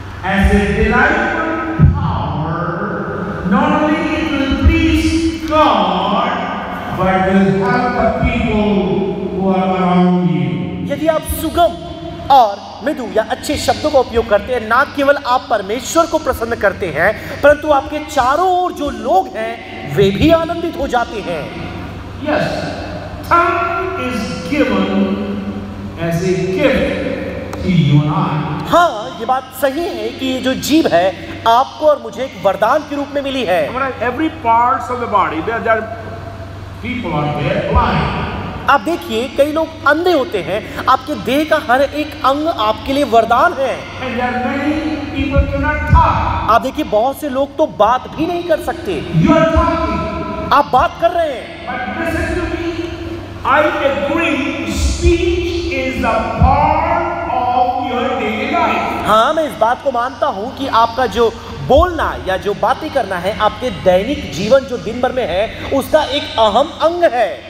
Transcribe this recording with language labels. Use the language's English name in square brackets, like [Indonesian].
[English] As a delightful power, not only it will please God, but will help the people who are around you. [Hindi] यदि आप सुगम और मधु या अच्छे शब्दों का उपयोग करते हैं, ना केवल आप परमेश्वर को प्रसन्न करते हैं, परंतु आपके चारों ओर जो लोग हैं, वे भी आनंदित हो जाते हैं। [English] Yes, tongue is given as a gift to you and I. [Hindi] हाँ, ये बात सही है कि ये जो जीभ है आपको और मुझे एक वरदान के रूप में मिली है। [English] Every parts of the body, there people are there blind. [Hindi] आप देखिए कई लोग अंधे होते हैं, आपके देह का हर एक अंग आपके लिए वरदान है। [English] And there are many people cannot talk. [Hindi] आप देखिए बहुत से लोग तो बात भी नहीं कर सकते। [English] You are talking. [Hindi] आप बात कर रहे हैं। [English] But listen to me. I agree. Speech is the part. [Hindi] हाँ, मैं इस बात को मानता हूँ कि आपका जो बोलना या जो बातें करना है आपके दैनिक जीवन जो दिन भर में है उसका एक अहम अंग है।